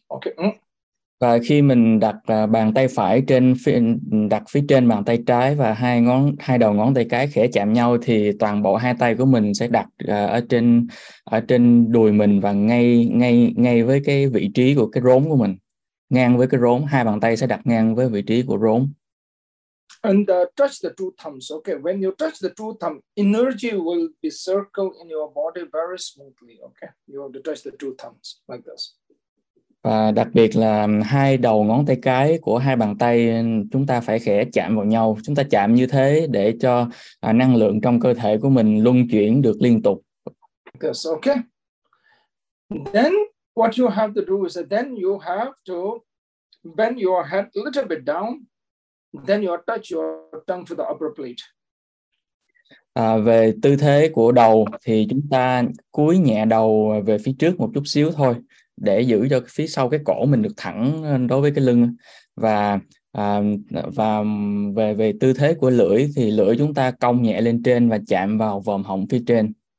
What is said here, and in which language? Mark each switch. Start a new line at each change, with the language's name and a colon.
English: Okay.
Vietnamese: Và khi mình đặt bàn tay phải trên đặt phía trên bàn tay trái và hai đầu ngón tay cái khẽ chạm nhau thì toàn bộ hai tay của mình sẽ đặt ở trên đùi mình và ngay với cái vị trí của cái rốn của mình, ngang với cái rốn, hai bàn tay sẽ đặt ngang với vị trí của rốn.
English: And touch the two thumbs. Okay, when you touch the two thumbs, energy will be circled in your body very smoothly. Okay, you have to touch the two thumbs like this.
Vietnamese: Và đặc biệt là hai đầu ngón tay cái của hai bàn tay chúng ta phải khẽ chạm vào nhau. Chúng ta chạm như thế để cho năng lượng trong cơ thể của mình luân chuyển được liên tục.
English: This, okay. Then what you have to do is that then you have to bend your head a little bit down. Then you touch your tongue to the upper plate.
Vietnamese: Về tư thế của đầu thì chúng ta cúi nhẹ đầu về phía trước một chút xíu thôi, để giữ cho phía sau cái cổ mình được thẳng đối với cái lưng. Và về tư thế của lưỡi thì lưỡi chúng ta cong nhẹ lên trên và chạm vào vòm họng phía trên.